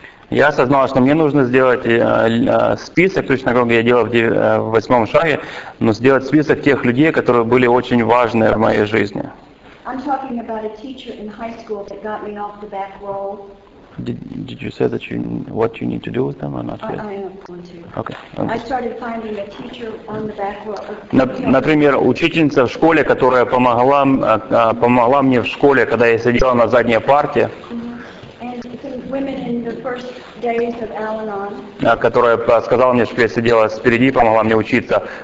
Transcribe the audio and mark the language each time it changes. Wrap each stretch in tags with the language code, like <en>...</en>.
<ru>Я осознала, что мне нужно сделать список, точно как я делал в 8-м шаге, но сделать список тех людей, которые были очень важны в моей жизни.</ru> <en>I'm talking about a teacher in high school that got me off the back row. Did you say that you what you need to do with them or not? I am going to. Okay. I started finding a teacher on the back row.</en> <ru>Например, учительница в школе, которая помогла мне в школе, когда я сидела на задней парте.</ru> <en>And some women in the first days of Al-Anon.</en> <ru>Которая сказала мне, что я сидела спереди, помогла мне учиться.</ru>